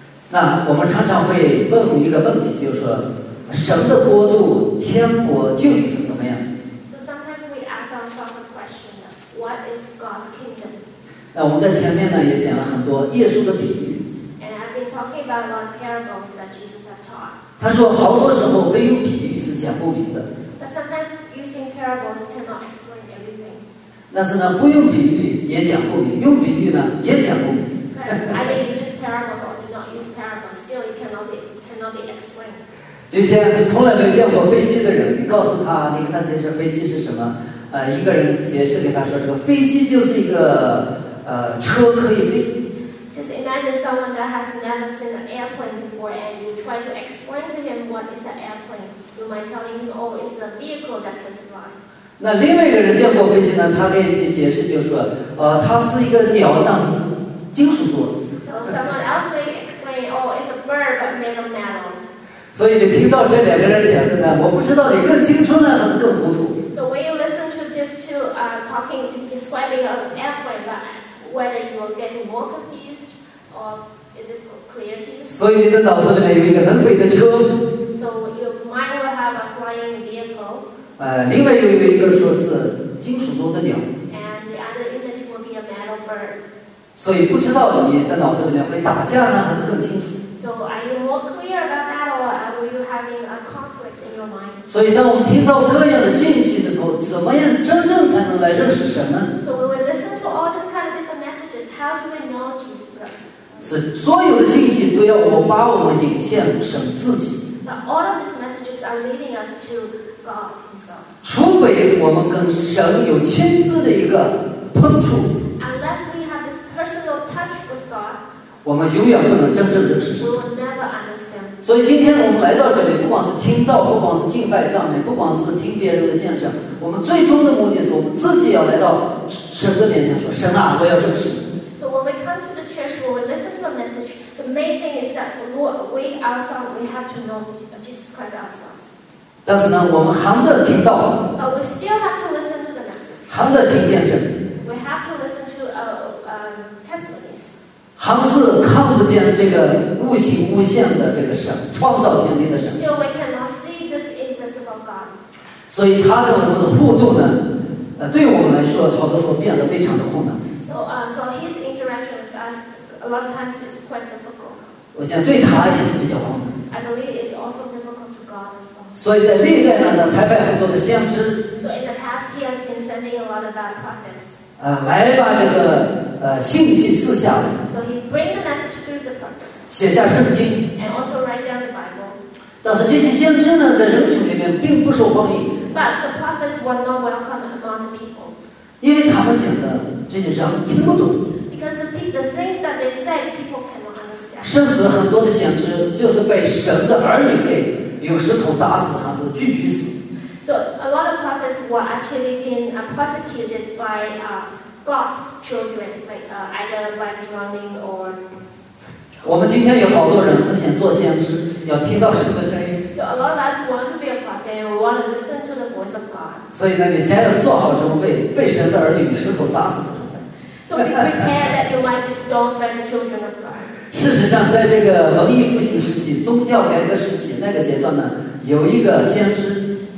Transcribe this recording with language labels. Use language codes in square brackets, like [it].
[zh] 那我们常常会问一个问题，就是说神的国度天国究竟是怎么样。 [en] So sometimes we ask ourselves a question, what is God's kingdom? [zh] 那我们在前面呢也讲了很多耶稣的比喻。 [en] And I've been talking about the parables that Jesus has taught. [zh] 他说好多时候非用比喻是讲不明的。 [en] But sometimes using parables cannot explain everything. [zh] 但是呢不用比喻也讲不明，用比喻呢也讲不明。 [en] Either use parables or do not use parables, still it cannot be explained. [zh] 之前从来没有见过飞机的人，你告诉他，你跟他解释飞机是什么，一个人解释给他说，这个飞机就是一个车可以飞。 [en] Just imagine someone that has never seen an airplane before, and you try to explain to him what is an airplane. You might tell him, oh, it's a vehicle that can fly. [zh] 那另外一个人见过飞机呢，他给你解释就是说，它是一个鸟，但是是金属做的。 [en] So someone else may explain, oh, it's a bird but made of metal. [zh] 所以你听到这两个人讲的呢，我不知道你更青春呢还是更糊涂。 [en] So when you listen to these two talking, describing an airplane, but whether you are getting more confused or is it clear to you? [zh] 所以你的脑子里面有一个能飞的车。 [en] So your mind will have a flying vehicle. [zh] 另外有一个说是金属做的鸟。 [en] And the other image will be a metal bird. [zh] 所以不知道你的脑子里面会打架呢还是更清楚。 [en] So are you more clear about that? Having a conflict in your mind. [zh] 所以当我们听到各样的信息的时候，怎么样真正才能来认识神呢？ [en] So when we listen to all these kind of different messages, how do we know Jesus? [zh] 是所有的信息都要我把我们引向神自己。 [en] But all of these messages are leading us to God himself. [zh] 除非我们跟神有亲自的一个碰触。 [en] Unless we have this personal touch with God, [zh] 我们永远不能真正认识神。所以今天我们来到这里，不管是听到，不管是敬拜赞美，不管是听别人的见证，我们最终的目的是我们自己要来到神的面前说，神啊，我要认识你。 [en] So when we come to the church, when we listen to a message, the main thing is that we ourselves, we have to know Jesus Christ ourselves. [zh] 但是呢，我们含着听到。 [en] But we still have to listen to the message. [zh] 含着听见证。 [en] We have to listen to testimonies. [zh] 还是看不见这个无形无限的这个神，创造天地的神。 [en] Still we cannot see this invisible God. [zh] 所以他跟我们的互动呢，对我们来说，好多时候变得非常的困难。 [en] So his interaction with us a lot of times is quite difficult. [zh] 我想对他也是比较困难。 [en] I believe it's also difficult to God as well. [zh] 所以在历代呢，才派很多的先知。 [en] So in the past, he has been sending a lot of bad prophets. [zh] 来把这个信息赐下来。 [en] So he bring the message through the prophet. [zh] 写下圣经。 [en] And also write down the Bible. [zh] 但是这些先知呢，在人群里面并不受欢迎。 [en] But the prophets were not welcome among the people. [zh] 因为他们讲的这些人听不懂。 [en] Because the things that they say, people cannot understand. [zh] 甚至很多的先知就是被神的儿女给用石头砸死，还是拒绝死。 [en] So a lot of prophets were actually being persecuted by God's children, either by drowning or. [zh] 我们今天有好多人很想做先知，要听到神的声音。 [en] So a lot of us want to be a prophet, we want to listen to the voice of God. [zh] 所以呢，你先要做好准备，被神的儿女石头砸死的准备。 [en] So be prepared that you might be stoned by the children of God. [zh] 事实上，在这个文艺复兴时期、宗教改革时期那个阶段呢，有一个先知。